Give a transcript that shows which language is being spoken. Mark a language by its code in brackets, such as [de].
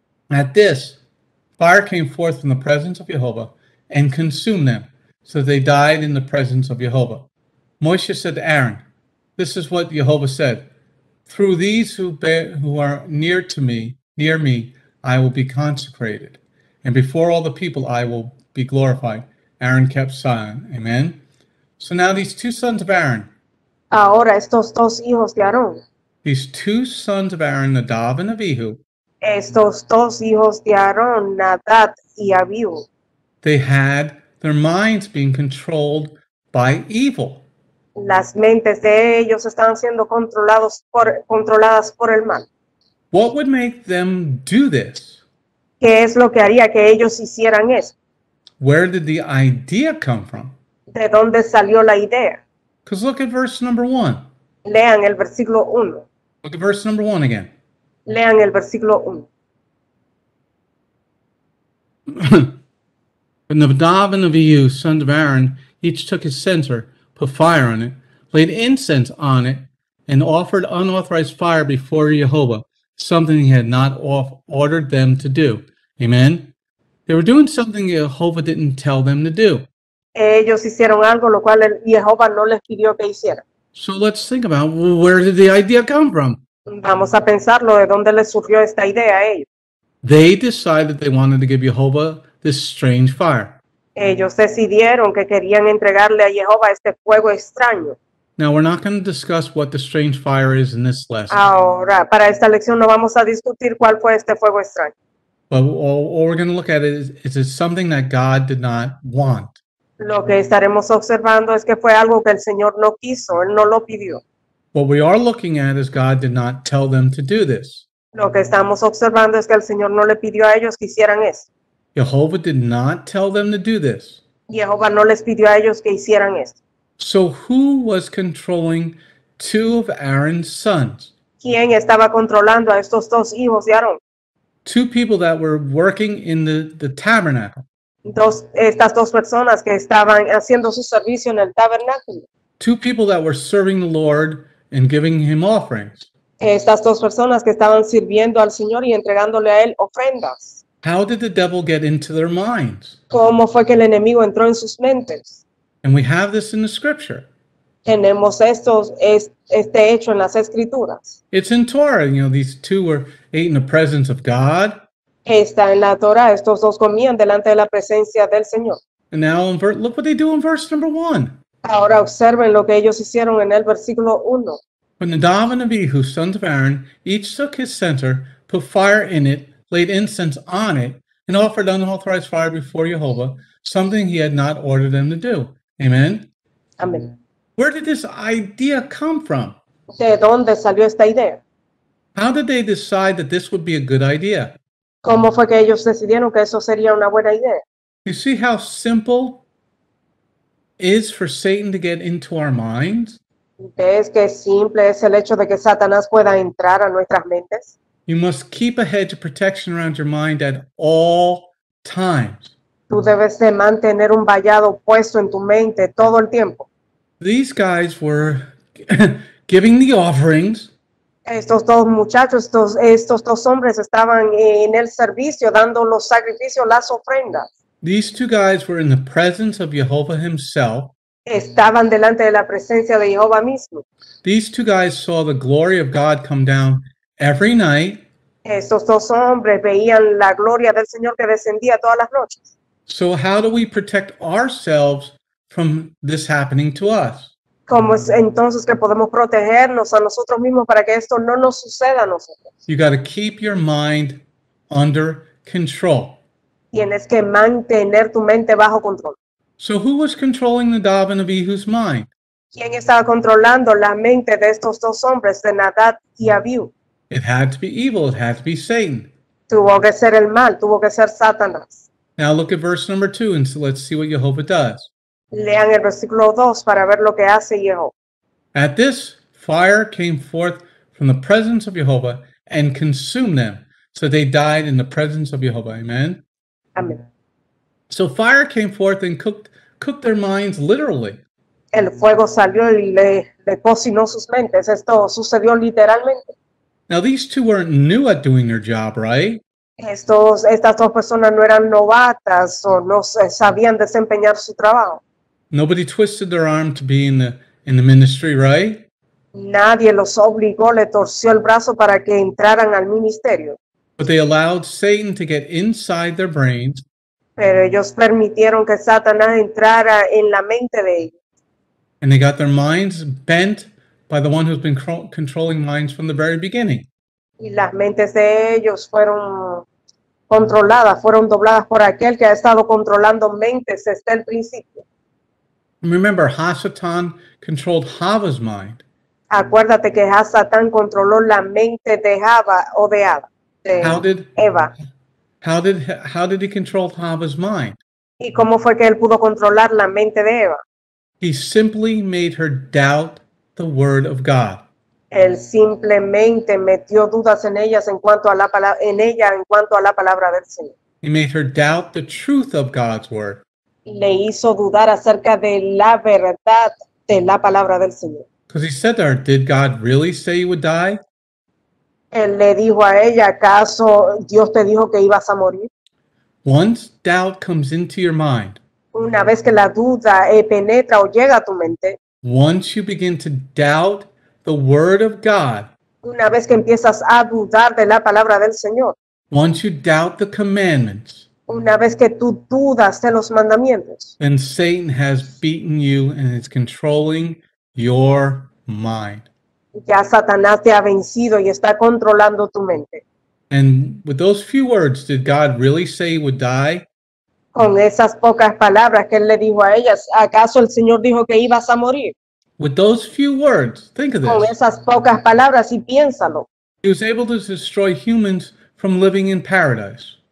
[en] At this, fire came forth from the presence of Jehovah and consumed them, so they died in the presence of Jehovah. Moshe said to Aaron, "This is what Jehovah said. Through these who are near me, I will be consecrated. And before all the people, I will be glorified." Aaron kept silent. Amen. So now these two sons of Aaron. [es] Ahora estos dos hijos de Aarón. [en] These two sons of Aaron, Nadab and Abihu. [es] Estos dos hijos de Aarón, Nadab y Abihu. [en] They had their minds being controlled by evil. [es] Las mentes de ellos están siendo controladas por el mal. [en] What would make them do this? [es] ¿Qué es lo que haría que ellos hicieran eso? [en] Where did the idea come from? [es] ¿De dónde salió la idea? [en] Because look at verse number one. [es] Lean el versículo 1. [en] Look at verse number 1 again. [es] Lean el versículo 1. [en] And Nadab and Abihu, sons of Aaron, each took his censer, put fire on it, laid incense on it, and offered unauthorized fire before Jehovah, something he had not ordered them to do. Amen. They were doing something Jehovah didn't tell them to do. [es] Ellos hicieron algo lo cual Jehovah no les pidió que hicieran. [en] So let's think about, where did the idea come from? [es] Vamos a pensarlo, ¿de dónde les surgió esta idea a ellos? [en] They decided they wanted to give Jehovah this strange fire. [es] Ellos decidieron que querían entregarle a Jehovah este fuego extraño. [en] Now, we're not going to discuss what the strange fire is in this lesson. [es] Ahora, para esta lección no vamos a discutir cuál fue este fuego extraño. [en] But all we're going to look at is it something that God did not want? [es] Lo que estaremos observando es que fue algo que el Señor no quiso, Él no lo pidió. [en] What we are looking at is God did not tell them to do this. [es] Lo que estamos observando es que el Señor no le pidió a ellos que hicieran esto. [en] Jehovah did not tell them to do this. [es] Jehovah no les pidió a ellos que hicieran esto. [en] So who was controlling two of Aaron's sons? [es] ¿Quién estaba controlando a estos dos hijos de Aarón? [en] Two people that were working in the tabernacle. [es] Estas dos personas que estaban haciendo su servicio en el tabernáculo. [en] Two people that were serving the Lord and giving him offerings. [es] Estas dos personas que estaban sirviendo al Señor y entregándole a él ofrendas. [en] How did the devil get into their minds? [es] ¿Cómo fue que el enemigo entró en sus mentes? [en] And we have this in the scripture. [es] Tenemos este hecho en las escrituras. [en] It's in Torah, you know, these two were ate in the presence of God. [es] Está en la Torah, estos dos comían delante de la presencia del Señor. [en] And now look what they do in verse number 1. [es] Ahora observen lo que ellos hicieron en el versículo 1. [en] When Nadab and Abihu, sons of Aaron, each took his censer, put fire in it, laid incense on it, and offered unauthorized fire before Jehovah, something he had not ordered them to do. Amen? Amen. Where did this idea come from? [es] ¿De dónde salió esta idea? [en] How did they decide that this would be a good idea? [es] ¿Cómo fue que ellos decidieron que eso sería una buena idea? [en] You see how simple is for Satan to get into our minds? [es] ¿Ves qué simple es el hecho de que Satanás pueda entrar a nuestras mentes? [en] You must keep a hedge of protection around your mind at all times. [es] Tú debes de mantener un vallado puesto en tu mente todo el tiempo. [en] These guys were giving the offerings. [es] Estos dos muchachos, estos dos hombres estaban en el servicio dando los sacrificios, las ofrendas. [en] These two guys were in the presence of Jehovah himself. [es] Estaban delante de la presencia de Jehovah mismo. [en] These two guys saw the glory of God come down every night. [es] Estos dos hombres veían la gloria del Señor que descendía todas las noches. [en] So how do we protect ourselves from this happening to us? [es] ¿Cómo es entonces que podemos protegernos a nosotros mismos para que esto no nos suceda a nosotros? [en] You got to keep your mind under control. [es] Tienes que mantener tu mente bajo control. [en] So who was controlling Nadab and Abihu's mind? [es] ¿Quién estaba controlando la mente de estos dos hombres, de Nadab y Abihu? [en] It had to be evil. It had to be Satan. [es] Tuvo que ser el mal. Tuvo que ser Satanás. [en] Now look at verse number 2 and so let's see what Jehovah does. [es] Lean el versículo 2 para ver lo que hace Jehovah. [en] At this, fire came forth from the presence of Jehovah and consumed them. So they died in the presence of Jehovah. Amen? Amen. So fire came forth and cooked their minds literally. [es] El fuego salió y le cocinó sus mentes. Esto sucedió literalmente. [en] Now these two weren't new at doing their job, right? [es] Estas dos personas no eran novatas o no sabían desempeñar su trabajo. [en] Nobody twisted their arm to be in the ministry, right? [es] Nadie los obligó, le torció el brazo para que entraran al ministerio. [en] But they allowed Satan to get inside their brains. [es] Pero ellos permitieron que Satanás entrara en la mente de ellos. [en] And they got their minds bent by the one who's been controlling minds from the very beginning. [es] Y las mentes de ellos fueron controladas, fueron dobladas por aquel que ha estado controlando mentes desde el principio. [en] Remember, Hasatan controlled Hava's mind. [es] Acuérdate que Hasatan controló la mente de Hava o de Ada. Eva. [en] How did he control Hava's mind? [es] ¿Y cómo fue que él pudo controlar la mente de Eva? [en] He simply made her doubt the word of God. [es] Él simplemente metió dudas en ellas en cuanto a la palabra, en ella en cuanto a la palabra del Señor. [en] He made her doubt the truth of God's word. [es] Le hizo dudar acerca de la verdad de la palabra del Señor. [en] Because he said to her, did God really say you would die? [es] Él le dijo a ella, ¿acaso Dios te dijo que ibas a morir? [en] Once doubt comes into your mind, [es] una vez que la duda penetra o llega a tu mente, [en] once you begin to doubt the word of God, [es] una vez que empiezas a dudar de la palabra del Señor, [en] once you doubt the commandments, [es] una vez que tú dudas de los mandamientos, [en] then Satan has beaten you and is controlling your mind. [es] Ya Satanás te ha vencido y está controlando tu mente. [en] And with those few words, did God really say he would die? [es] Con esas pocas palabras que él le dijo a ellas, ¿acaso el Señor dijo que ibas a morir? [en] With those few words, think of this. [es] Con esas pocas palabras y piénsalo. [en] He was able to destroy humans from living in paradise.